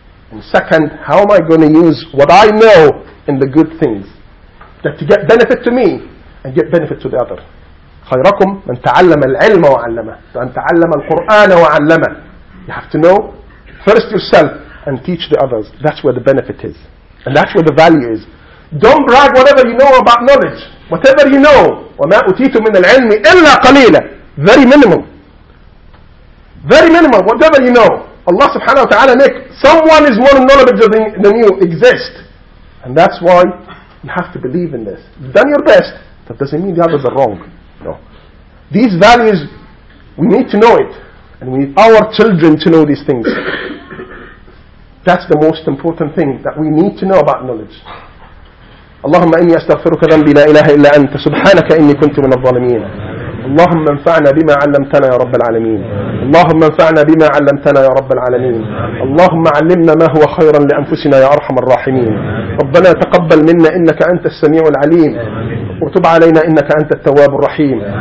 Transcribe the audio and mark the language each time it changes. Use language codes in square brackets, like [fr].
[en] And second, how am I going to use what I know in the good things, that to get benefit to me and get benefit to the other. [ar] خَيْرَكُمْ مَنْ تَعَلَّمَ الْعِلْمَ وَعَلَّمَهُ وَأَنْ تَعَلَّمَ الْقُرْآنَ وَعَلَّمَهُ. [en] You have to know first yourself and teach the others. That's where the benefit is. And that's where the value is. Don't brag whatever you know about knowledge. Whatever you know, [ar] وَمَا أُتِيتُ مِنَ الْعِلْمِ إِلَّا قَلِيلًا. [en] Very minimum. Very minimum, whatever you know. Allah subhanahu wa ta'ala make someone is more knowledgeable than you exist. And that's why you have to believe in this. You've done your best, that doesn't mean the others are wrong. No. These values, we need to know it. And we need our children to know these things. That's the most important thing that we need to know about knowledge. [ar] اللهم إني أستغفرك ذنبي لا إله إلا أنت سبحانك إني كنت من الظالمين. اللهم انفعنا بما علمتنا يا رب العالمين. اللهم انفعنا بما علمتنا يا رب العالمين. اللهم علمنا ما هو خيرا لأنفسنا يا أرحم الراحمين. ربنا تقبل منا إنك أنت السميع العليم، وتب علينا إنك أنت التواب الرحيم.